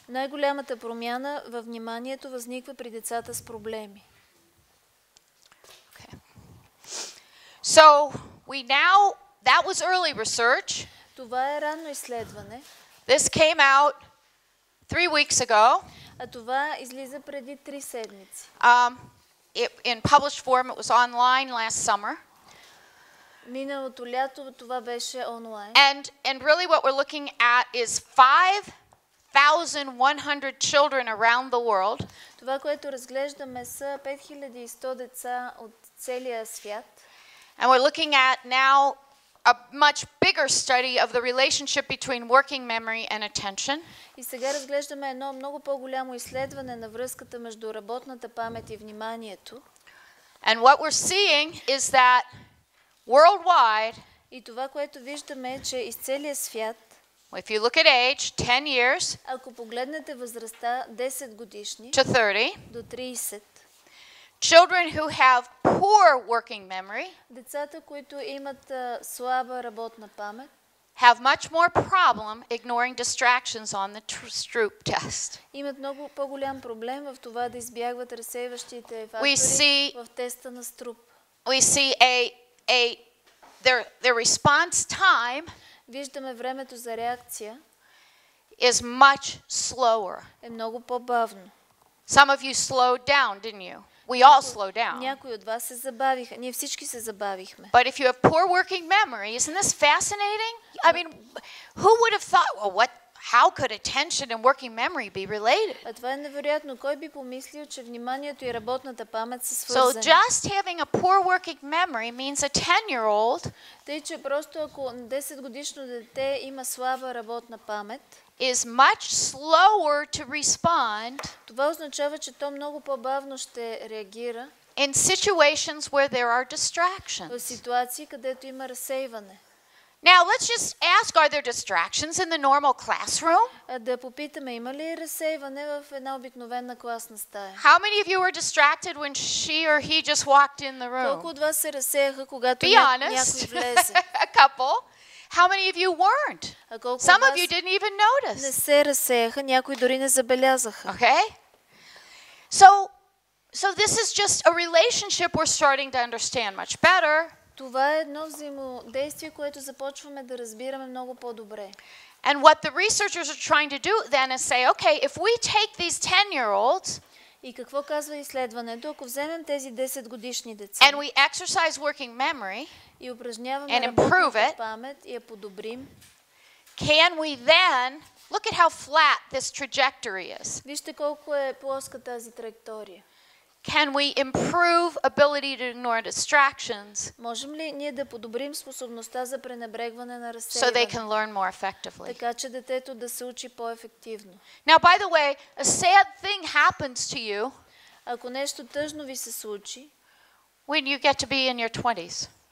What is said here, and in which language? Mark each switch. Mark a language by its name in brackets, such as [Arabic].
[Bulgarian] Най-голямата промяна във вниманието възниква при децата с проблеми. [English] Okay. So we now that was early research. [Bulgarian] Това е ранно изследване. [English] This came out 3 weeks ago. [Bulgarian] А това излиза преди 3 седмици. [English] In published form it was online last summer. [Bulgarian] Миналото лято това беше онлайн. [English] And really what we're looking at is 5,100 children around the world. [Bulgarian] Това, което разглеждаме, са 5100 деца от целия свят. [English] And we're looking at now a much bigger study of the relationship between working memory and attention. [Bulgarian] И сега разглеждаме едно много по-голямо изследване на връзката между работната памет и вниманието. [English] And what we're seeing is that worldwide, [Bulgarian] и това, което виждаме, че из целия свят, [English] if you look at age, 10 years, [Bulgarian] ако погледнете възрастта 10 годишни [English] to 30, [Bulgarian] до 30, [English] children who have poor working memory, [Bulgarian] децата, които имат слаба работна памет, [English] have much more problem ignoring distractions on the Stroop test. [Bulgarian] Имат много по-голям проблем в това да избягват разсейващите фактори в теста на Stroop. [English] We see a their response time, [Bulgarian] виждаме времето за реакция, [English] is much slower. [Bulgarian] Е много по-бавно. [English] Some of you slowed down, didn't you? We all slow down. [Bulgarian] Някои от вас се забавиха. Ние всички се забавихме. [English] But if you have poor working memory, isn't this fascinating? I mean, who would have thought, well, what, how could attention and working memory be related? [Bulgarian] А това е невероятно. Кой би помислил, че вниманието и работната памет са свързани? [English] So just having a poor working memory means a 10-year-old, [Bulgarian] тъй че просто ако 10-годишно дете има слаба работна памет, [English] is much slower to respond. [Bulgarian] Това означава, че то много по-бавно ще реагира. [English] In situations where there are distractions. [Bulgarian] В ситуации, където има разсейване. [English] Now let's just ask, are there distractions in the normal classroom? [Bulgarian] Да попитаме, има ли разсейване в една обикновена класна стая? [English] How many of you were distracted when she or he just walked in the room? [Bulgarian] Колко от вас се разсеяха, когато някой влезе? [English] A couple. How many of you weren't? Some of you didn't even notice. [Bulgarian] Не се разсеяха, някои дори не забелязаха. [English] Okay? So this is just a relationship we're starting to understand much better. [Bulgarian] Това е едно взаимодействие, което започваме да разбираме много по-добре. [English] And what the researchers are trying to do then is say, okay, if we take these 10-year-olds, [Bulgarian] и какво казва изследването, ако вземем тези 10-годишни деца, [English] and we exercise working memory, [Bulgarian] и упражняваме работната памет и я подобрим, [English] can we then look at how flat this trajectory is? [Bulgarian] Вижте колко е плоска тази траектория. [English] Can we improve ability to ignore distractions? [Bulgarian] Можем ли ние да подобрим способността за пренебрегване на разсейване? [English] So they can learn more effectively. [Bulgarian] Така че детето да се учи по-ефективно. [English] Now, by the way, a sad thing happens to you. [Bulgarian] Ако нещо тъжно ви се случи. [English] When you get to be in your 20s.